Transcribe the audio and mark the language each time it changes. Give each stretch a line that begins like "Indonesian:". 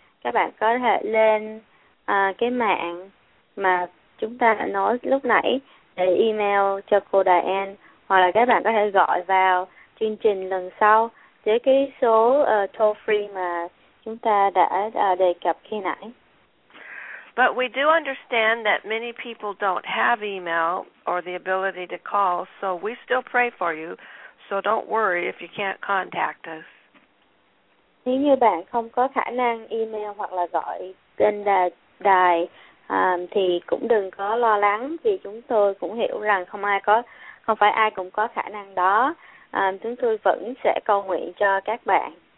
Vietnamese: Các bạn có thể lên cái mạng mà chúng ta đã nói lúc nãy để email cho cô Đài An, hoặc là các bạn có thể gọi vào chương trình lần sau với cái số toll free mà chúng ta đã đề cập khi nãy.
English: But we do understand that many people don't have email or the ability to call, so we still pray for you, so don't worry if you can't contact us.
Vietnamese: Nếu như bạn không có khả năng email hoặc là gọi tên đài thì cũng đừng có lo lắng, vì chúng tôi cũng hiểu rằng không phải ai cũng có khả năng đó. Chúng tôi vẫn sẽ cầu nguyện cho các bạn.